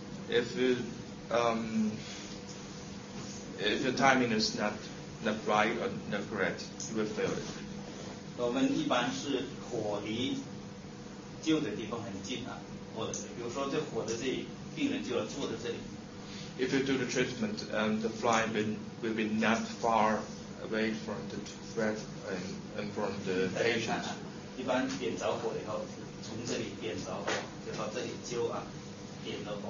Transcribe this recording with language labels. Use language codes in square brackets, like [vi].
[en] If your timing is not right or not correct, you will fail it. [zh] 我们一般是火离灸的地方很近啊，或者比如说这火的这里，病人就要坐在这里。 [en] If you do the treatment, the fly will be not far. Away from the threat and from the patient. [zh] 一般点着火以后，从这里变到就到这里灸啊，变到红。